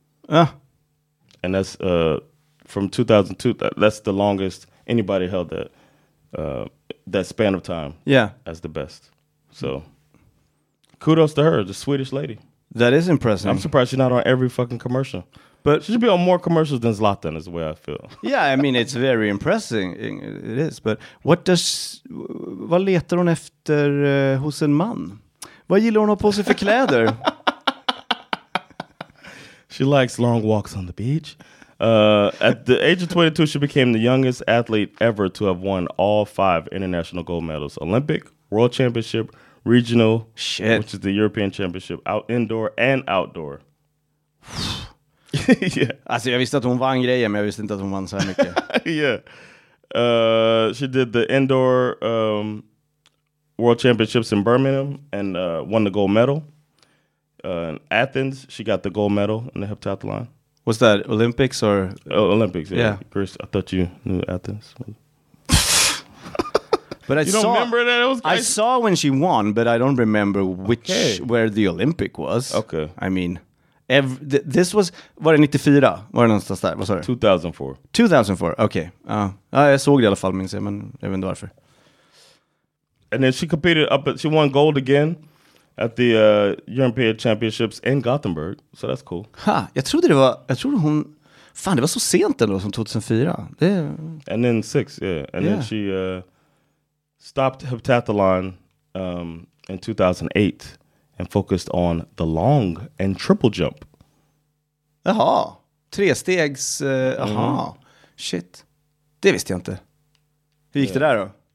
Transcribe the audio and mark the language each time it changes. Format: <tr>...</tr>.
<en>And that's from 2002, that's the longest anybody held that that span of time. Yeah. As the best. So kudos to her, the Swedish lady. That is impressive. I'm surprised she's not on every fucking commercial. But she should be on more commercials than Zlatan is the way I feel. Yeah, I mean, it's very impressing. It is. But what does...</en> <sv>Vad letar hon efter hos en man? Vad gillar hon att på sig för kläder?</sv> <en>She likes long walks on the beach. At the age of 22, she became the youngest athlete ever to have won all five international gold medals. Olympic, World Championship, Regional, shit, which is the European Championship, indoor and outdoor. Yeah.</en> <sv>Alltså jag visste att hon vann grejer, men jag visste inte att hon vann så här mycket.</sv> <en>Yeah. She did the indoor World Championships in Birmingham and won the gold medal. In Athens, she got the gold medal in the heptathlon. Was that Olympics or? Olympics, yeah. Chris, I thought you knew Athens. But you don't remember that? It was crazy. I saw when she won, but I don't remember which, where the Olympic was. Okay. I mean, this was,</en> <sv>var det 94? Var det någonstans där? Vad sa du?</sv> <en>2004.</en> <sv>2004, okay. Jag såg det i alla fall, minns jag, men jag vet inte varför.</sv> <en>And then she competed up, she won gold again at the European Championships in Gothenburg, so that's cool.</en> <sv>Ha, jag trodde det var, jag trodde hon, fan det var så sent ändå som 2004. Det...</sv> <en>And then six, yeah. And yeah, then she stopped heptathlon in 2008 and focused on the long and triple jump.</en> <sv>Jaha, trestegs, shit. Det visste jag inte. Hur gick det där då?</sv>